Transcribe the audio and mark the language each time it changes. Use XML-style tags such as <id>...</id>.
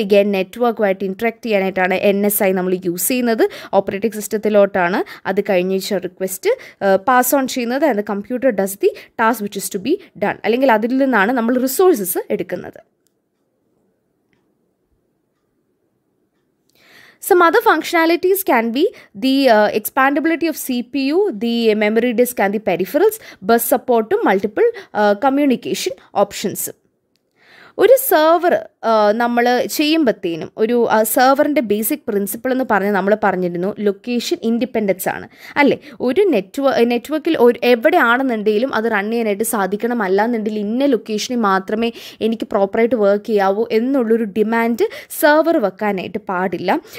<ml>Again നെറ്റ്വർക്കുമായിട്ട് interact ചെയ്യാനായിട്ടാണ് NSI നമ്മൾ use ചെയ്യുന്നത്, ഓപ്പറേറ്റിംഗ് സിസ്റ്റത്തിലോട്ടാണ്. അത് കഴിഞ്ഞ റിക്വസ്റ്റ് പാസ് ഓൺ ചെയ്യുന്നത്</ml> <en>and computer does the task which is to be done,</en> <ml>അല്ലെങ്കിൽ അതിൽ നിന്നാണ് നമ്മൾ റിസോഴ്സസ് എടുക്കുന്നത്.</ml> <en>Some other functionalities can be the expandability of CPU, the memory disk and the peripherals, bus support, multiple communication options.</en> <ml>ഒരു server നമ്മൾ ചെയ്യുമ്പോഴത്തേനും ഒരു സെർവറിൻ്റെ basic principle എന്ന് പറഞ്ഞ് നമ്മൾ പറഞ്ഞിരുന്നു ലൊക്കേഷൻ ഇൻഡിപെൻഡൻസ് ആണ്, അല്ലേ? ഒരു നെറ്റ്വർക്കിൽ ഒരു എവിടെയാണെന്നുണ്ടെങ്കിലും അത് റൺ ചെയ്യാനായിട്ട് സാധിക്കണമല്ലാന്നുണ്ടെങ്കിൽ ഇന്ന ലൊക്കേഷനിൽ മാത്രമേ എനിക്ക് പ്രോപ്പറായിട്ട് വർക്ക് ചെയ്യാവൂ എന്നുള്ളൊരു ഡിമാൻഡ് സെർവർ വെക്കാനായിട്ട് പാടില്ല.</ml>